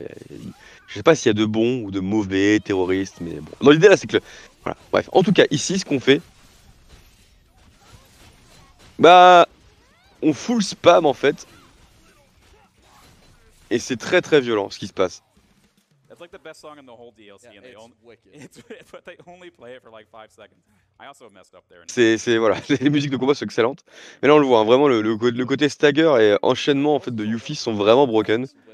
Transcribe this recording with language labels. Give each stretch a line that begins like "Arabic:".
French: Je sais pas s'il y a de bons ou de mauvais terroristes, mais bon. Non, l'idée là c'est que, voilà, bref, en tout cas, ici ce qu'on fait, on full spam en fait. Et c'est très très violent ce qui se passe.
English: It's like the best song in the whole DLC, yeah, and they but they only play it for like 5 seconds. I also messed up there.
French: C'est voilà, les musiques de combat sont excellentes. Mais là on le voit, hein, vraiment le côté stagger et enchaînement en fait de Yuffie sont vraiment broken.